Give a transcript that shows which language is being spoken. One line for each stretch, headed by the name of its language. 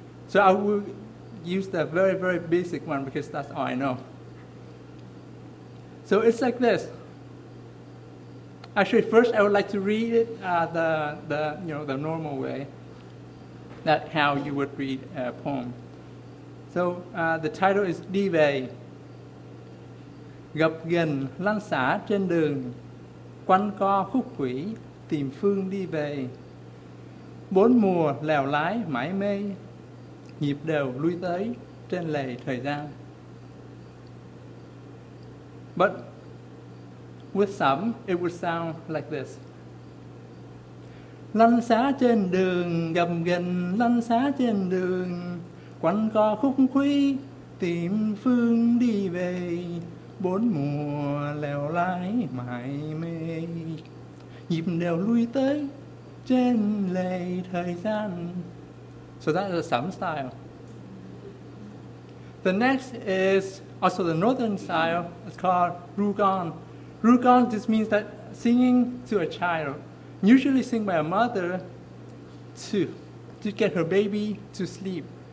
English: So I will use the very, very basic one because that's all I know. So it's like this. Actually, first I would like to read it the normal way, that how you would read a poem. So the title is Đi Về.
Vietnamese: Gặp gần lăn xả trên đường, quanh co khúc quỷ tìm phương đi về. Bốn mùa lèo lái mãi mê, nhịp đều lui tới trên lề thời gian.
English: But with some, it would sound like this.
Vietnamese: Lăn xá trên đường, gầm gần lăn xá trên đường, quanh co khúc khuý, tìm phương đi về, bốn mùa lèo lái mãi mê, nhịp đều lui tới trên lề thời gian.
English: So that is a Sam style. The next is also the northern style. It's called Ru Gan. Ru Gan just means that singing to a child, usually sing by a mother to get her baby to sleep.